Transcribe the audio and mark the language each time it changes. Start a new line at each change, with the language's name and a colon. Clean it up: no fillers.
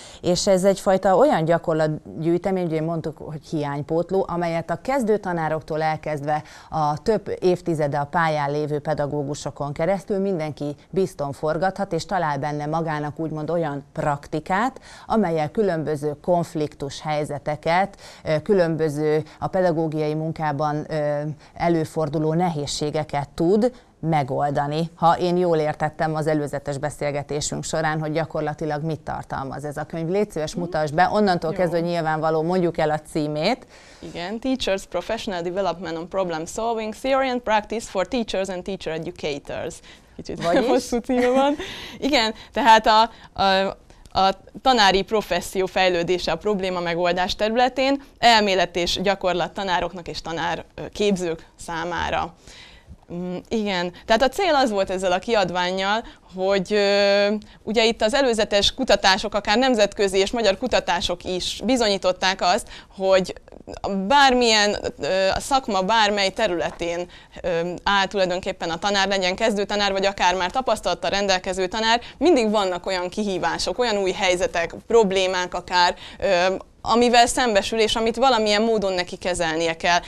Hungarian: És ez egyfajta olyan gyakorlatgyűjtemény, ugye mondtuk, hogy hiánypótló, amelyet a kezdő tanároktól elkezdve a több évtizede a pályán lévő pedagógusokon keresztül mindenki bizton forgathat, és talál benne magának úgymond olyan praktikát, amellyel különböző konfliktus helyzeteket, különböző a pedagógiai munkában előforduló nehézségeket tud megoldani. Ha én jól értettem az előzetes beszélgetésünk során, hogy gyakorlatilag mit tartalmaz ez a könyv. Légy szíves, mutasd be, onnantól kezdve nyilvánvaló, mondjuk el a címét.
English: Igen, Teachers Professional Development on Problem Solving, Theory and Practice for Teachers and Teacher Educators.
Hungarian: Kicsit hosszú címe van. Igen, tehát a tanári professzió fejlődése a probléma megoldás területén, elmélet és gyakorlat tanároknak és tanárképzők számára. Igen, tehát a cél az volt ezzel a kiadvánnyal, hogy ugye itt az előzetes kutatások, akár nemzetközi és magyar kutatások is bizonyították azt, hogy bármilyen a szakma bármely területén áll tulajdonképpen a tanár, legyen kezdőtanár, vagy akár már tapasztalattal rendelkező tanár, mindig vannak olyan kihívások, olyan új helyzetek, problémák akár, amivel szembesül, és amit valamilyen módon neki kezelnie kell.